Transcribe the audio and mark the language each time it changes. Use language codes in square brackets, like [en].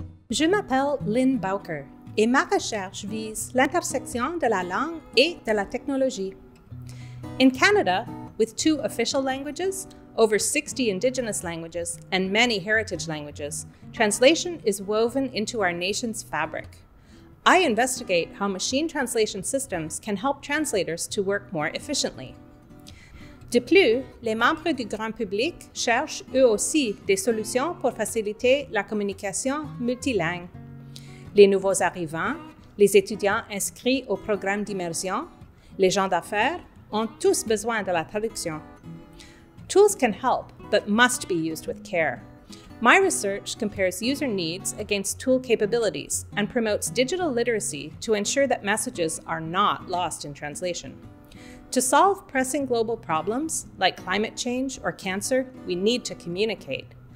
[fr] Je m'appelle Lynn Bowker et ma recherche vise l'intersection de la langue et de la technologie. [en] In Canada, with two official languages, over 60 indigenous languages, and many heritage languages, translation is woven into our nation's fabric. I investigate how machine translation systems can help translators to work more efficiently. [fr] De plus, les membres du grand public cherchent eux aussi des solutions pour faciliter la communication multilingue. Les nouveaux arrivants, les étudiants inscrits au programme d'immersion, les gens d'affaires ont tous besoin de la traduction. [en] Tools can help, but must be used with care. My research compares user needs against tool capabilities and promotes digital literacy to ensure that messages are not lost in translation. To solve pressing global problems like climate change or cancer, we need to communicate.